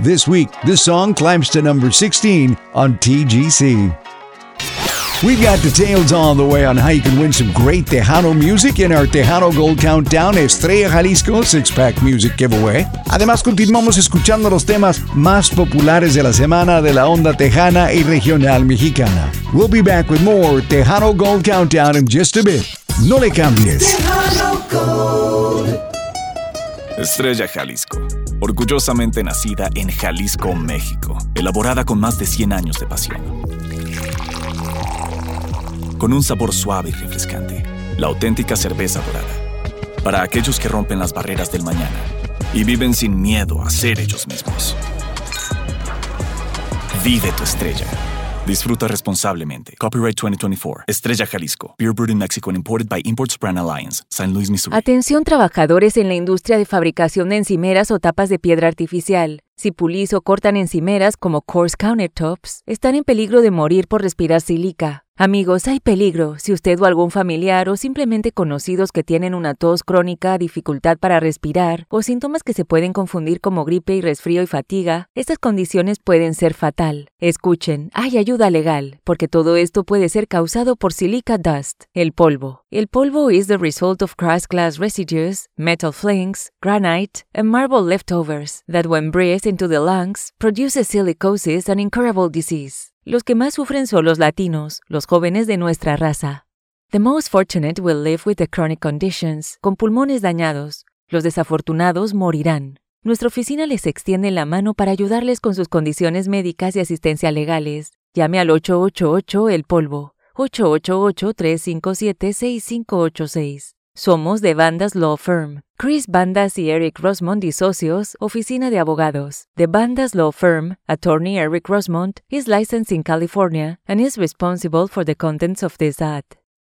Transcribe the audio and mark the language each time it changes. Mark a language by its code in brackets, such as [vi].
[en] This week, the song climbs to number 16 on TGC. We've got details on the way on how you can win some great Tejano music in our Tejano Gold Countdown Estrella Jalisco 6-Pack Music Giveaway. [es] Además, continuamos escuchando los temas más populares de la semana de la onda tejana y regional mexicana. [en] We'll be back with more Tejano Gold Countdown in just a bit. [es] No le cambies. [en] Tejano Gold. [es] Estrella Jalisco. Orgullosamente nacida en Jalisco, México. Elaborada con más de 100 años de pasión. Con un sabor suave y refrescante. La auténtica cerveza dorada. Para aquellos que rompen las barreras del mañana y viven sin miedo a ser ellos mismos. Vive tu estrella. Disfruta responsablemente. Copyright 2024. Estrella Jalisco. [en] Beer brewed in Mexico and imported by Imports Brand Alliance. [es] San Luis, Missouri. Atención, trabajadores en la industria de fabricación de encimeras o tapas de piedra artificial. Si pulís o cortan encimeras como [en] coarse countertops, [es] están en peligro de morir por respirar sílica. Amigos, hay peligro. Si usted o algún familiar o simplemente conocidos que tienen una tos crónica, dificultad para respirar o síntomas que se pueden confundir como gripe y resfrío y fatiga, estas condiciones pueden ser fatal. Escuchen, hay ayuda legal, porque todo esto puede ser causado por [en] silica dust, [es] el polvo. [en] El polvo is the result of crushed glass residues, metal flakes, granite, and marble leftovers that when breathed into the lungs, produces silicosis and incurable disease. [es] Los que más sufren son los latinos, los jóvenes de nuestra raza. [en] The most fortunate will live with the chronic conditions, [es] con pulmones dañados. Los desafortunados morirán. Nuestra oficina les extiende la mano para ayudarles con sus condiciones médicas y asistencia legales. Llame al 888-EL-POLVO, 888-357-6586. Somos de Bandas Law Firm. Chris Bandas y Eric Rosmond y socios, oficina de abogados. [en] The Bandas Law Firm, attorney Eric Rosmond, is licensed in California and is responsible for the contents of this ad.